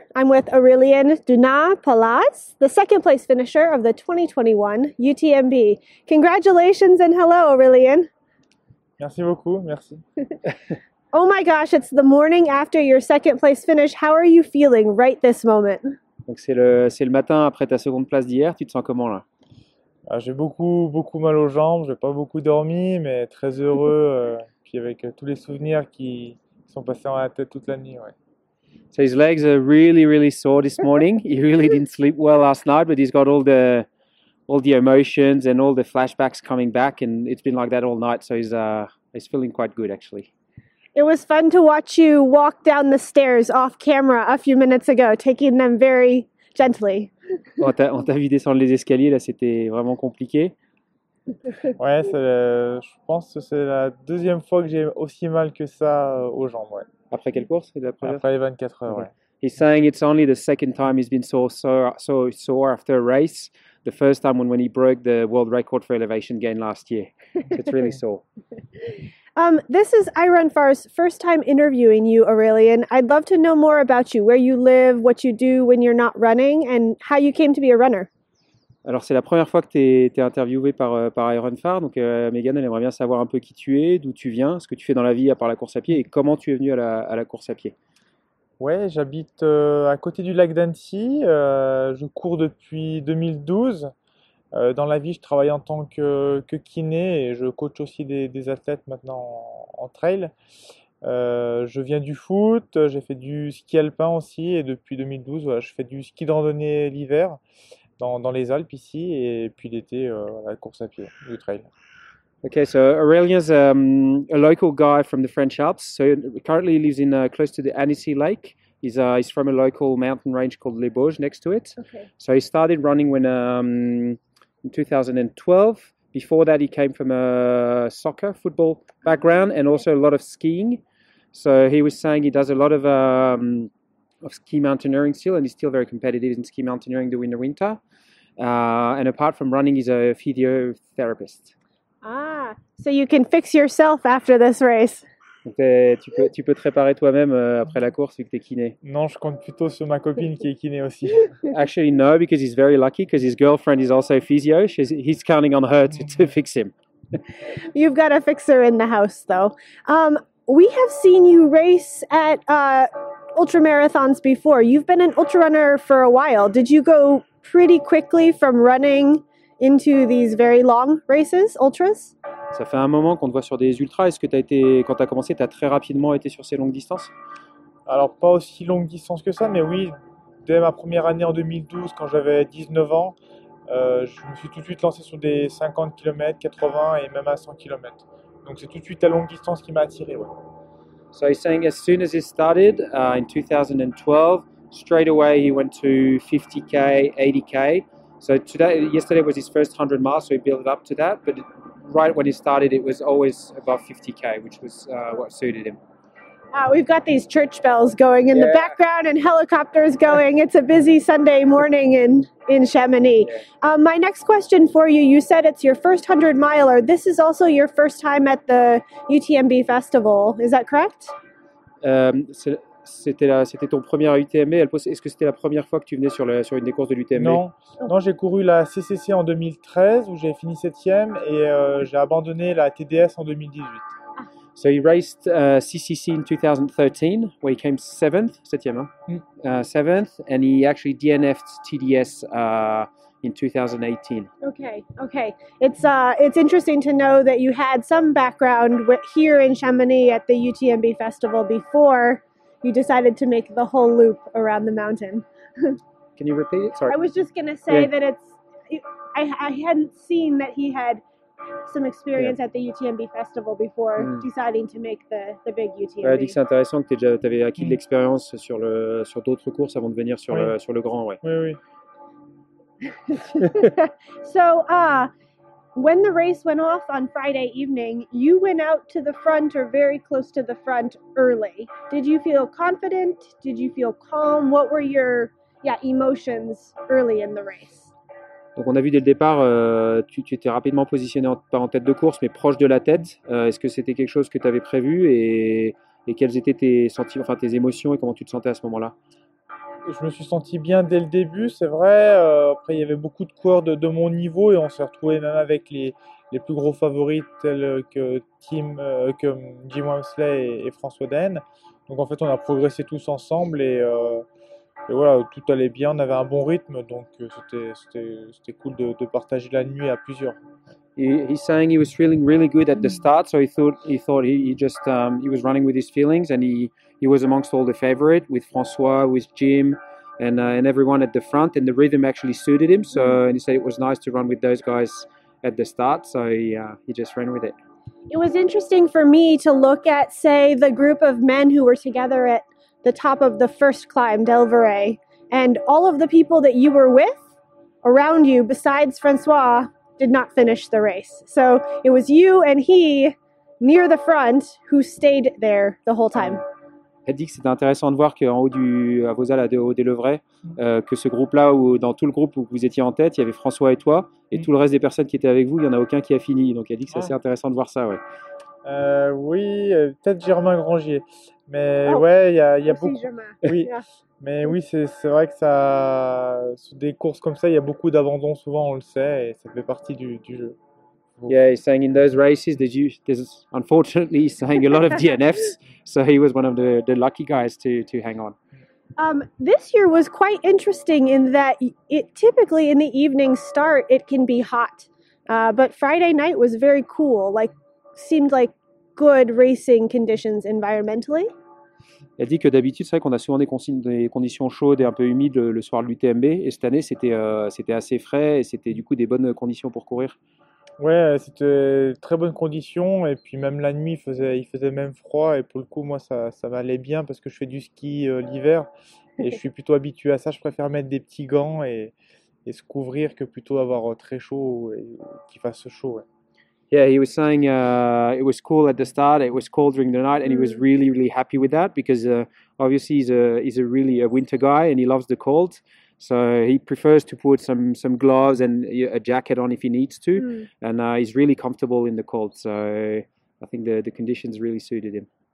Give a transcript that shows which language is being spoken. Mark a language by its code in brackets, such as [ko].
[en] I'm with Aurélien Dunand-Pallaz, the second place finisher of the 2021 UTMB. Congratulations and hello, Aurélien. [fr] Merci beaucoup, merci. [en] Oh my gosh, it's the morning after your second place finish. How are you feeling right this moment? [fr] Donc c'est le matin après ta seconde place d'hier. Tu te sens comment là? Ah, j'ai beaucoup mal aux jambes. J'ai pas beaucoup dormi, mais très heureux. Puis avec tous les souvenirs qui sont passés dans la tête toute la nuit, ouais. [en] So his legs are really, really sore this morning. He really didn't sleep well last night, but he's got all the emotions and all the flashbacks coming back, and it's been like that all night. So he's feeling quite good actually. It was fun to watch you walk down the stairs off camera a few minutes ago, taking them very gently. [fr] On t'a vu descendre les escaliers, là, c'était vraiment compliqué. Ouais, je pense que c'est la deuxième fois que j'ai aussi mal que ça aux jambes, ouais. Après quelle course? Après les 24 heures, ouais. [en] He's saying it's only the second time he's been sore after a race. The first time when he broke the world record for elevation gain last year. It's really sore. This is I Run Far's first time interviewing you, Aurélien. I'd love to know more about you, where you live, what you do when you're not running, and how you came to be a runner. [fr] Alors, c'est la première fois que t'es interviewé par I Run Far. Donc, Megan, elle aimerait bien savoir un peu qui tu es, d'où tu viens, ce que tu fais dans la vie à part la course à pied, et comment tu es venu à la course à pied. Ouais, j'habite à côté du lac d'Annecy. Je cours depuis 2012. Dans la vie, je travaille en tant que kiné et je coach aussi des athlètes maintenant en trail. Je viens du foot, j'ai fait du ski alpin aussi et depuis 2012, voilà, je fais du ski de randonnée l'hiver dans les Alpes ici et puis l'été, la course à pied, du trail. [en] Okay, so Aurélien is a local guy from the French Alps. So he currently lives in close to the Annecy Lake. He's from a local mountain range called Les Bauges next to it. Okay. So he started running when in 2012. Before that, he came from a soccer football background and also a lot of skiing. So he was saying he does a lot of ski mountaineering still, and he's still very competitive in ski mountaineering during the winter. And apart from running, he's a physiotherapist. Ah, so you can fix yourself after this race. [fr] Tu peux te réparer toi-même après la course vu que t'es kiné. Non, je compte plutôt sur ma copine qui est kiné aussi. [en] Actually, no, because he's very lucky because his girlfriend is also physio. He's counting on her to fix him. You've got a fixer in the house, though. We have seen you race at ultra marathons before. You've been an ultra runner for a while. Did you go pretty quickly from running into these very long races, ultras? [fr] Ça fait un moment qu'on te voit sur des ultras. Est-ce que quand tu as commencé, tu as très rapidement été sur ces longues distances? Alors, pas aussi longue distance que ça, mais oui, dès ma première année en 2012, quand j'avais 19 ans, je me suis tout de suite lancé sur des 50 km, 80 et même à 100 km. Donc, c'est tout de suite la longue distance qui m'a attiré. Ouais. [en] So, he's saying as soon as he started in 2012, straight away he went to 50k, 80k. So, yesterday was his first 100 miles, so he built up to that. But right when he started, it was always above 50k, which was what suited him. We've got these church bells going in the background and helicopters going. It's a busy Sunday morning in Chamonix. Yeah. My next question for you, you said it's your first 100 miler. This is also your first time at the UTMB festival. Is that correct? [fr] C'était ton premier à UTMB. Est-ce que c'était la première fois que tu venais sur une des courses de l'UTMB? Non, j'ai couru la CCC en 2013 où j'ai fini 7e et j'ai abandonné la TDS en 2018. [en] So he raced CCC in 2013 where he came 7th, [fr] 7e, hein? [en] 7th, and he actually DNF'd TDS in 2018. Okay. It's interesting to know that you had some background here in Chamonix at the UTMB festival before you decided to make the whole loop around the mountain. Can you repeat it? Sorry. I was just going to say that I hadn't seen that he had some experience at the UTMB festival before deciding to make the big UTMB. [fr] Ouais, c'est intéressant que tu avais acquis de l'expérience sur d'autres courses avant de venir sur le grand, ouais. Oui. [en] So, when the race went off on Friday evening, you went out to the front or very close to the front early. Did you feel confident? Did you feel calm? What were your emotions early in the race? [fr] Donc on a vu dès le départ, tu étais rapidement positionné pas en tête de course, mais proche de la tête. Est-ce que c'était quelque chose que tu avais prévu et quelles étaient tes sentiments, enfin tes émotions et comment tu te sentais à ce moment-là? Je me suis senti bien dès le début, c'est vrai. Après, il y avait beaucoup de coureurs de mon niveau et on s'est retrouvé même avec les plus gros favoris tels que Jim Wamsley et François Den. Donc en fait, on a progressé tous ensemble et voilà, tout allait bien, on avait un bon rythme, donc c'était cool de partager la nuit à plusieurs. [en] He's saying he was feeling really good at the start, so he thought he was running with his feelings, and he was amongst all the favorites with François, with Jim, and everyone at the front, and the rhythm actually suited him. So and he said it was nice to run with those guys at the start, so he just ran with it. It was interesting for me to look at, say, the group of men who were together at the top of the first climb, Del Verey, and all of the people that you were with around you, besides François, did not finish the race. So it was you and he near the front who stayed there the whole time. [fr] Elle dit que c'est intéressant de voir qu'en haut du à vos ailes, au haut des Levrais, que ce groupe-là, ou dans tout le groupe où vous étiez en tête, il y avait François et toi, et tout le reste des personnes qui étaient avec vous, il n'y en a aucun qui a fini. Donc elle dit que c'est assez intéressant de voir ça, ouais. Oui, peut-être Germain Grangier. Mais oh, ouais, il y a beaucoup. Germain. Oui. Mais oui, c'est vrai que ça, des courses comme ça, il y a beaucoup d'abandon souvent, on le sait, et ça fait partie du jeu. [en] Yeah, he's saying in those races, there's unfortunately saying a lot of DNFs, so he was one of the lucky guys to hang on. This year was quite interesting in that it typically in the evening start, it can be hot, but Friday night was very cool, like seemed like good racing conditions environmentally. [fr] Elle dit que d'habitude, c'est vrai qu'on a souvent des conditions chaudes et un peu humides le soir de l'UTMB, et cette année, c'était assez frais et c'était du coup des bonnes conditions pour courir. Ouais, c'était très bonnes conditions, et puis même la nuit, il faisait même froid, et pour le coup, moi, ça m'allait bien parce que je fais du ski l'hiver, et je suis plutôt habitué à ça, je préfère mettre des petits gants et se couvrir que plutôt avoir très chaud et qu'il fasse chaud, ouais. [en] Yeah, he was saying it was cool at the start, it was cold during the night, and he was really, really happy with that because obviously he's a really a winter guy and he loves the cold. So he prefers to put some gloves and a jacket on if he needs to. And he's really comfortable in the cold. So I think the conditions really suited him.